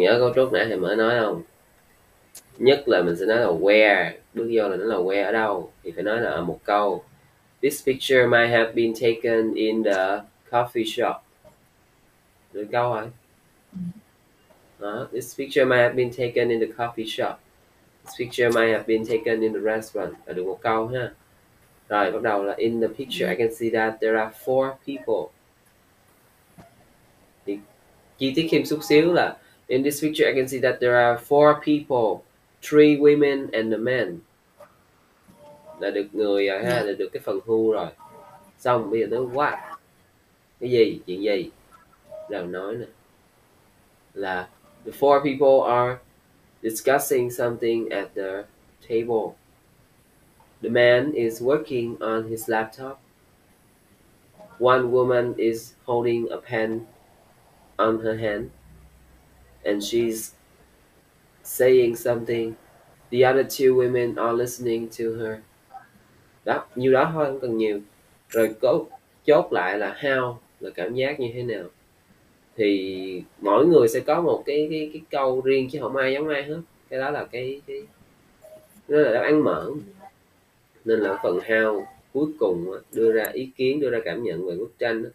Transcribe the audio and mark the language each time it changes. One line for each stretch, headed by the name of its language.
Vietnamese: Nhớ câu trước nãy thầy mới nói không? Nhất là mình sẽ nói là where, bước vô là nó là where ở đâu thì phải nói là một câu,
English: This picture might have been taken in the coffee shop.
Vietnamese: Được câu hỏi.
English: This picture might have been taken in the coffee shop. This picture might have been taken in the restaurant.
Vietnamese: Là được một câu ha. Rồi bắt đầu là
English: in the picture. I can see that there are four people.
Vietnamese: Thì chi tiết thêm chút xíu là
English: in this picture I can see that there are four people, three women and a man.
Vietnamese: Là được người rồi ha, là được cái phần who rồi. Xong bây giờ tới what. Cái gì, chuyện gì. Rồi nói nè. Là
English: the four people are discussing something at the table. The man is working on his laptop. One woman is holding a pen on her hand. And she's saying something. The other two women are listening to her.
Vietnamese: Đó, nhiều đó thôi, không cần nhiều. Rồi có chốt lại là how, là cảm giác như thế nào. Thì mỗi người sẽ có một cái câu riêng chứ không ai giống ai hết. Cái đó là cái là đáp án mở. Nên là phần how cuối cùng đưa ra ý kiến, đưa ra cảm nhận về bức tranh đó.